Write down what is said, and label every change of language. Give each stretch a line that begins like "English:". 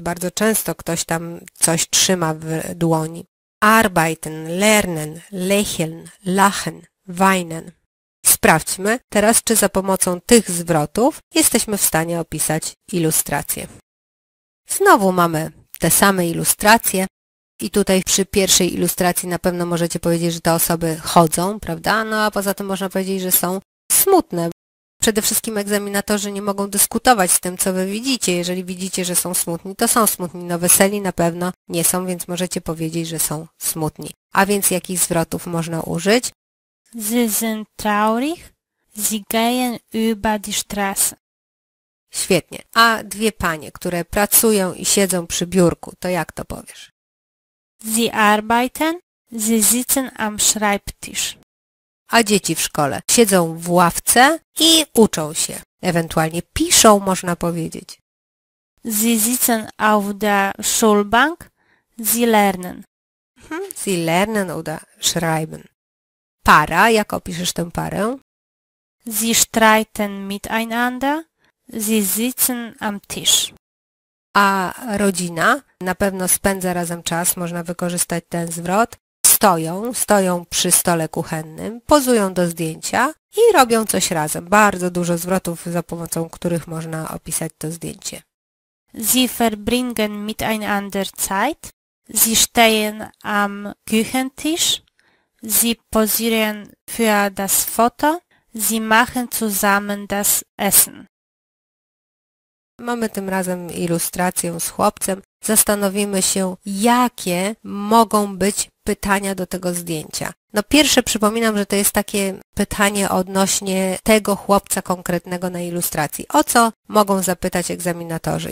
Polish: Bardzo często ktoś tam coś trzyma w dłoni.
German: Arbeiten, lernen, lächeln, lachen, weinen.
Polish: Sprawdźmy teraz, czy za pomocą tych zwrotów jesteśmy w stanie opisać ilustrację. Znowu mamy te same ilustracje. I tutaj przy pierwszej ilustracji na pewno możecie powiedzieć, że te osoby chodzą, prawda? No a poza tym można powiedzieć, że są smutne. Przede wszystkim egzaminatorzy nie mogą dyskutować z tym, co wy widzicie. Jeżeli widzicie, że są smutni, to są smutni. No weseli na pewno nie są, więc możecie powiedzieć, że są smutni. A więc jakich zwrotów można użyć?
German: Sie sind traurig. Sie gehen über die Straße.
Polish: Świetnie. A dwie panie, które pracują i siedzą przy biurku, to jak to powiesz?
German: Sie arbeiten. Sie sitzen am Schreibtisch.
Polish: A dzieci w szkole siedzą w ławce i uczą się. Ewentualnie piszą, można powiedzieć.
German: Sie sitzen auf der Schulbank, sie lernen. Sie lernen oder schreiben.
Polish: Para, jak opiszesz tę parę?
German: Sie streiten miteinander, sie sitzen am Tisch.
Polish: A rodzina na pewno spędza razem czas, można wykorzystać ten zwrot. Stoją przy stole kuchennym, pozują do zdjęcia i robią coś razem. Bardzo dużo zwrotów, za pomocą których można opisać to zdjęcie.
German: Sie verbringen miteinander Zeit. Sie stehen am Küchentisch. Sie posieren für das Foto. Sie machen zusammen das Essen.
Polish: Mamy tym razem ilustrację z chłopcem. Zastanowimy się, jakie mogą być pytania do tego zdjęcia. No pierwsze przypominam, że to jest takie pytanie odnośnie tego chłopca konkretnego na ilustracji. O co mogą zapytać egzaminatorzy?